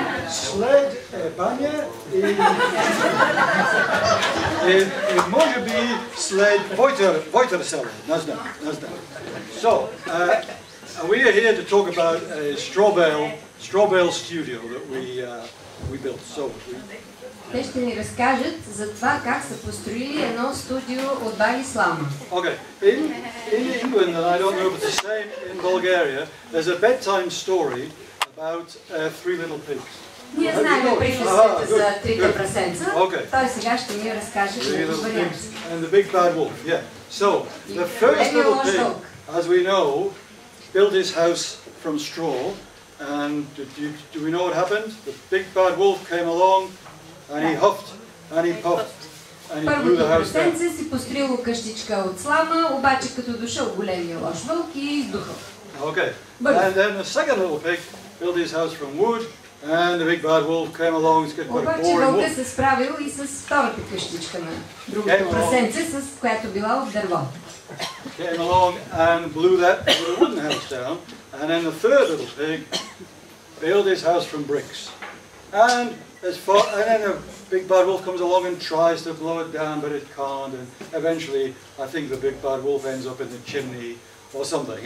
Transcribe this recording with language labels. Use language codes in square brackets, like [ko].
[en] Sled banje i može bi sled vojter selo, nazdan. So, we are here to talk about a straw bale studio that we built. So, [bg] те ще ни разкажат за това как са построили едно студио от бали слама. [en] Okay. In England, and I don't know if it's the same in Bulgaria, there's a bedtime story about three little pigs. [bg] Ние знаем приказката за трите прасенца. [en] Okay. [bg] Той сега ще ни разкаже за това. [en] And the big bad wolf. Yeah. So, the first little pig, as we know, built his house from straw. And do we know what happened? The big bad wolf came along. And he huffed, and he puffed, and he blew the house down. [bg] Първото прасенце си построило къщичка от слама, обаче като дошъл големия лош вълк и издухал. [en] Okay. And then the second little pig built his house from wood, and the big bad wolf came along. It's got quite a boring wolf. [bg] Обаче вълкът се справил и с втората къщичка на другото прасенце, с която била от дърво. [en] Came along and blew that wooden house down. And then the third little pig built his house from bricks. And then a big bad wolf comes along and tries to blow it down, but it can't. And eventually, I think the big bad wolf ends up in the chimney or something.